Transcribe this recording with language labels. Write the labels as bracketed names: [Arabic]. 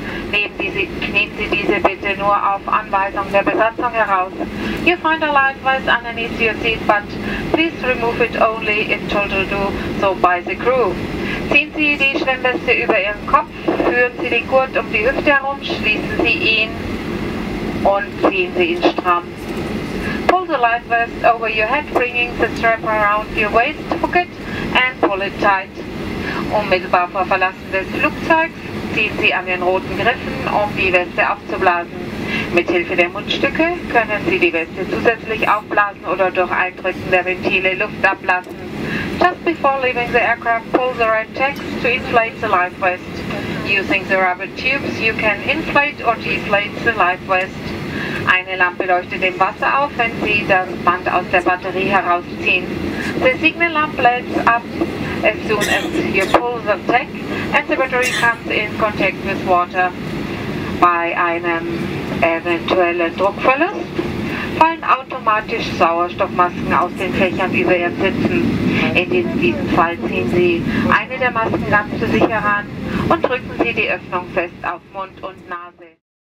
[German] Nehmen Sie diese bitte nur auf Anweisung der Besatzung heraus. [English] You find a life vest underneath your seat, but please remove it only if told to do so by the crew. [German] Ziehen Sie die Schwimmweste über Ihren Kopf, führen Sie den Gurt um die Hüfte herum, schließen Sie ihn und ziehen Sie ihn stramm. [English] Pull the life vest over your head, bringing the strap around your waist pocket and pull it tight. [German] Unmittelbar vor Verlassen des Flugzeugs ziehen Sie an den roten Griffen, um die Weste aufzublasen. Mit Hilfe der Mundstücke können Sie die Weste zusätzlich aufblasen oder durch Eindrücken der Ventile Luft ablassen. [English] Just before leaving the aircraft, pull the red tags to inflate the life vest. Using the rubber tubes, you can inflate or deflate the life vest. [German] Eine Lampe leuchtet im Wasser auf, wenn Sie das Band aus der Batterie herausziehen. [English] The signal lamp lights up as soon as you pull the tag and the battery comes in contact with water. [German] Bei einem eventuellen Druckverlust fallen automatisch Sauerstoffmasken aus den Fächern über Ihren Sitzen. In diesem Fall ziehen Sie eine der Masken ganz zu sich heran und drücken Sie die Öffnung fest auf Mund und Nase.